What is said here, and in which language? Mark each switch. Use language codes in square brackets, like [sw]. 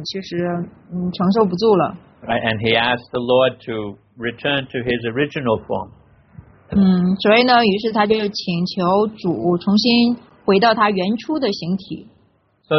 [zh] 就是阿尔朱纳看了一段时间之后呢，对他来说就有点承受不住了。Right, [en] and he asked the Lord to return to his original form. [zh] 所以呢，于是他就请求主重新回到他原初的形体。So